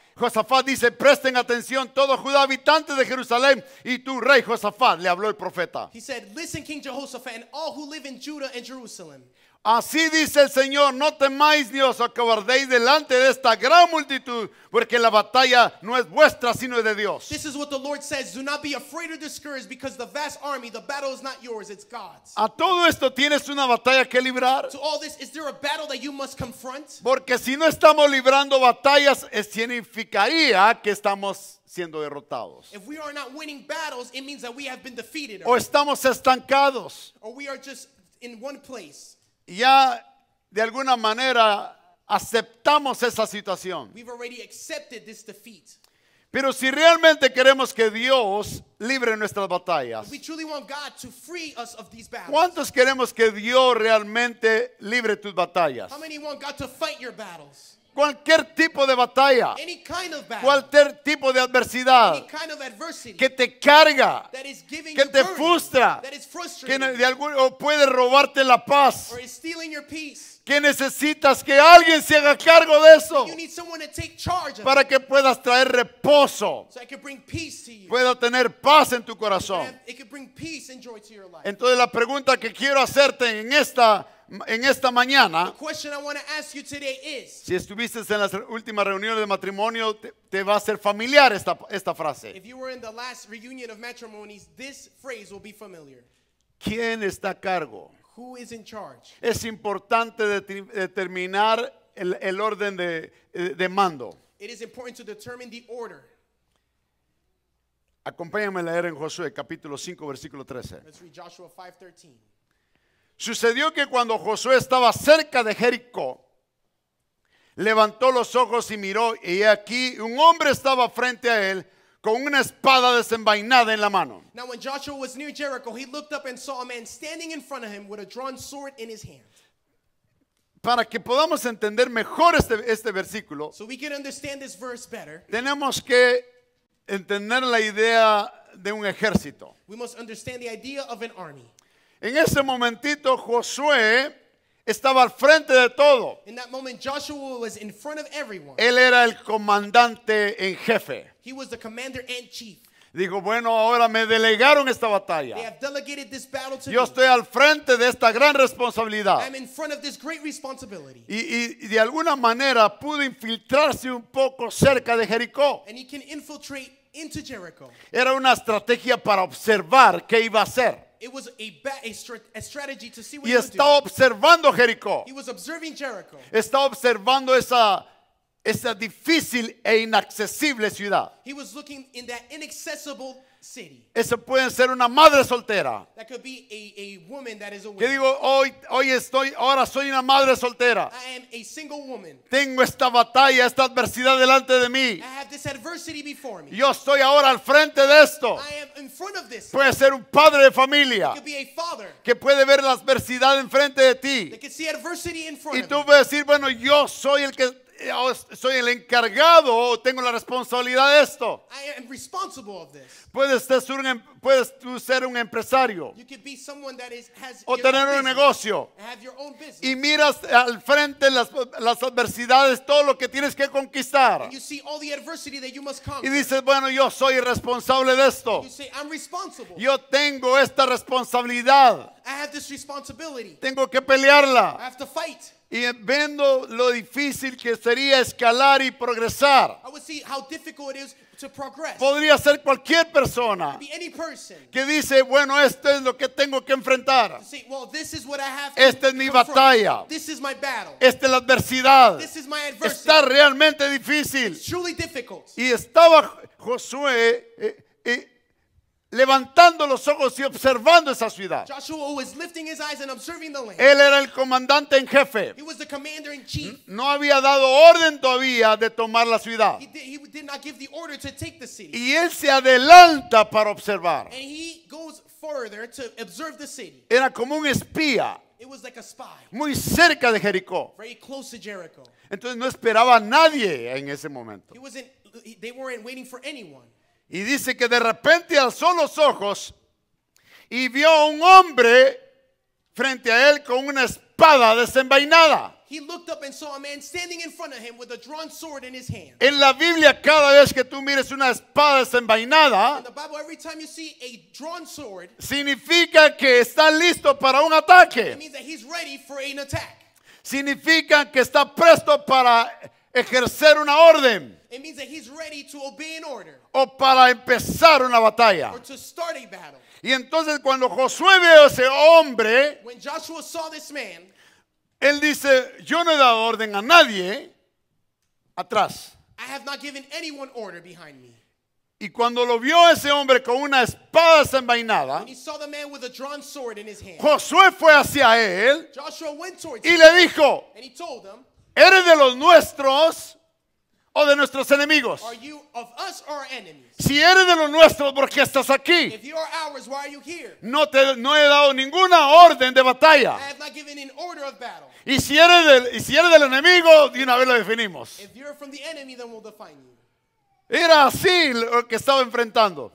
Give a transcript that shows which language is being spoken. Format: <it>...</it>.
<es>Josafat dice: presten atención, todo Judá, habitante de Jerusalén, y tu rey Josafat, le habló el profeta.</es> <en>He said, listen, King Jehoshaphat, and all who live in Judah and Jerusalem.</en> <es>Así dice el Señor, no temáis ni os acobardéis delante de esta gran multitud, porque la batalla no es vuestra, sino de Dios.</es> <en>This is what the Lord says, do not be afraid or discouraged, because the vast army, the battle is not yours, it's God's.</en> <es>A todo esto tienes una batalla que librar.</es> <en>To all this, is there a battle that you must confront?</en> <es>Porque si no estamos librando batallas, significaría que estamos siendo derrotados.</es> <en>If we are not winning battles, it means that we have been defeated.</en> <es>O estamos estancados.</es> <en>Or we are just in one place.</en> <es>Ya de alguna manera aceptamos esa situación.</es> <en>We've already accepted this defeat.</en> <es>Pero si realmente queremos que Dios libre nuestras batallas.</es> <en>We truly want God to free us of these battles.</en> <es>¿Cuántos queremos que Dios realmente libre tus batallas?</es> <en>How many want God to fight your battles?</en> <es>Cualquier tipo de batalla.</es> <en>Any kind of battle.</en> <es>Cualquier tipo de adversidad.</es> <en>Any kind of adversity.</en> <es>Que te carga.</es> <en>That is giving</en> <es>que</es> <en>you</en> <es>te frustra.</es> <en>That is frustrating.</en> <es>Que de algún, o puede robarte la paz.</es> <en>Or is stealing your peace.</en> <es>Que necesitas que alguien se haga cargo de eso.</es> <en>You need someone to take charge of.</en> <es>Para que puedas traer reposo.</es> <en>So I can bring peace to you.</en> <es>Pueda tener paz en tu corazón.</es> <en>It can bring peace and joy to your life.</en> <es>Entonces la pregunta que quiero hacerte en esta mañana,</es> <en>the question I want to ask you today is,</en> <es>si estuviste en las últimas reuniones de matrimonio, te va a ser familiar esta frase.</es> <en>If you were in the last reunion of matrimonies, this phrase will be familiar.</en> <es>¿Quién está a cargo?</es> <en>Who is in charge?</en> <es>Es importante determinar el orden de mando.</es> <en>It is important to determine the order.</en> <es>Acompáñame a leer en Josué capítulo 5 versículo 13.</es> <en>Let's read Joshua 5:13.</en> <es>Sucedió que cuando Josué estaba cerca de Jericó, levantó los ojos y miró, y aquí un hombre estaba frente a él con una espada desenvainada en la mano.</es> <en>Now when Joshua was near Jericho, he looked up and saw a man standing in front of him with a drawn sword in his hand.</en> <es>Para que podamos entender mejor este versículo,</es> <en>so we can understand this verse better,</en> <es>tenemos que entender la idea de un ejército.</es> <en>We must understand the idea of an army.</en> <es>En ese momentito Josué estaba al frente de todo.</es> <en>In that moment, Joshua was in front of everyone.</en> <es>Él era el comandante en jefe.</es> <en>He was the commander and chief.</en> <es>Dijo, bueno, ahora me delegaron esta batalla.</es> <en>They have delegated this battle to</en> <es>Yo</es> <en>me.</en> <es>Estoy al frente de esta gran responsabilidad.</es> <en>I'm in front of this great responsibility.</en> <es>Y de alguna manera pudo infiltrarse un poco cerca de Jericó.</es> <en>And he can infiltrate into Jericho.</en> <es>Era una estrategia para observar qué iba a hacer.</es> <en>It was a strategy to see what</en> <es>y</es> <en>he</en> <es>estaba</es> <en>do.</en> <es>Observando Jericó.</es> <en>He was observing Jericho.</en> <es>Estaba observando esa esa difícil e inaccesible ciudad.</es> <en>He was looking in that inaccessible city.</en> <es>Eso puede ser una madre soltera.</es> <en>That could be a woman that is a widow.</en> <es>Que digo, ahora soy una madre soltera.</es> <en>I am a single woman.</en> <es>Tengo esta batalla, esta adversidad delante de mí.</es> <en>I have this adversity before me.</en> <es>Yo estoy ahora al frente de esto.</es> <en>I am in front of this.</en> <es>Puede ser un padre de familia.</es> <en>It could be a father.</en> <es>Que puede ver la adversidad enfrente de ti.</es> <en>That could see adversity in front of me.</en> <es>Y tú puedes decir, bueno, yo soy el que... soy el encargado, tengo la responsabilidad de esto.</es> <en>I am responsible of this.</en> <es>Puedes tú ser un empresario.</es> <en>You could be someone that has</en> <es>o tener un negocio.</es> <en>Have your own business.</en> <es>Y miras al frente las adversidades, todo lo que tienes que conquistar.</es> <en>And you see all the adversity that you must conquer.</en> <es>Y dices, bueno, yo soy el responsable de esto.</es> <en>You say, I'm responsible.</en> <es>Yo tengo esta responsabilidad.</es> <en>I have this responsibility.</en> <es>Tengo que pelearla.</es> <en>I have to fight.</en> <es>Y viendo lo difícil que sería escalar y progresar.</es> <en>I would see how difficult it is to progress.</en> <es>Podría ser cualquier persona.</es> <en>It could be any person.</en> <es>Que dice, bueno, esto es lo que tengo que enfrentar.</es> <en>To say, well, this is what I have to</en> <es>esta es mi batalla.</es> <en>This is my battle.</en> <es>Esta es la adversidad.</es> <en>This is my adversity.</en> <es>Está realmente difícil.</es> <en>It's truly difficult.</en> <es>Y estaba Josué levantando los ojos y observando esa ciudad.</es> <en>Joshua was lifting his eyes and observing the land.</en> <es>Él era el comandante en jefe.</es> <en>He was the commander in chief.</en> <es>No había dado orden todavía de tomar la ciudad.</es> <en>He did not give the order to take the city.</en> <es>Y él se adelanta para observar.</es> <en>And he goes further to observe the city.</en> <es>Era como un espía.</es> <en>It was like a spy.</en> <es>Muy cerca de Jericó.</es> <en>Very close to Jericho.</en> <es>Entonces no esperaba a nadie en ese momento.</es> <en>They weren't waiting for anyone.</en> <es>Y dice que de repente alzó los ojos y vio a un hombre frente a él con una espada desenvainada.</es> <en>He looked up and saw a man standing in front of him with a drawn sword in his hand.</en> <es>En la Biblia, cada vez que tú mires una espada desenvainada,</es> <en>in the Bible, every time you see a drawn sword,</en> <es>significa que está listo para un ataque.</es> <en>It means that he's ready for an attack.</en> <es>Significa que está presto para ejercer una orden.</es> <en>It means that he's ready to obey an order.</en> <es>O para empezar una batalla.</es> <en>Or to start a battle.</en> <es>Y entonces cuando Josué ve a ese hombre,</es> <en>when Joshua saw this man,</en> <es>él dice, yo no he dado orden a nadie atrás.</es> <en>I have not given anyone order behind me.</en> <es>Y cuando lo vio ese hombre con una espada desenvainada,</es> <en>when he saw the man with a drawn sword in his hand,</en> <es>Josué fue hacia él,</es> <en>Joshua went towards</en> <es>y</es> <en>him,</en> <es>le dijo,</es> <en>and he told him,</en> <es>eres de los nuestros, o de nuestros enemigos.</es> <en>Are you of us or our enemies?</en> <es>Si eres de los nuestros, ¿por qué estás aquí?</es> <en>If you are ours, why are you here?</en> <es>No he dado ninguna orden de batalla.</es> <en>I have not given an order of battle.</en> <es>Y si eres del enemigo, de una vez lo definimos.</es> <en>If you're from the enemy, then we'll define you.</en> <es>Era así lo que estaba enfrentando.</es>